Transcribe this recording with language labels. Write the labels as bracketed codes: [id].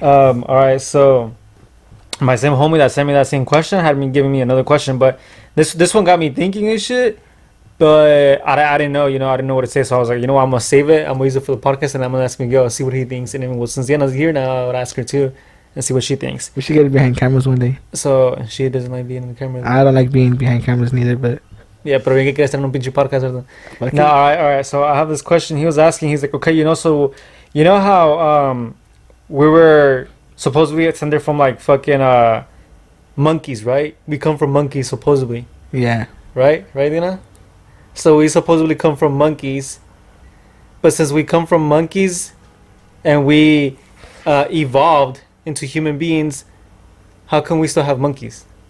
[en] All right, so my same homie that sent me that same question had been giving me another question, but this one got me thinking and shit. But I didn't know, you know, I didn't know what to say. So I was like, you know what, I'm going to save it. I'm going to use it for the podcast, and I'm going to ask Miguel, see what he thinks. And then, well, since Yana's here now, I would ask her too and see what she thinks. We should get it behind cameras one day. So she doesn't like being in the camera. I don't like being behind cameras neither, but. [es] Yeah, pero bien que quieres tener un pinche podcast, ¿verdad? [en] No, all right. So I have this question he was asking. He's like, okay, you know, so you know how we were supposedly ascended from like fucking monkeys, right? We come from monkeys, supposedly. Yeah. Right, Dina? So we supposedly come from monkeys, but since we come from monkeys and we evolved into human beings, how can we still have monkeys?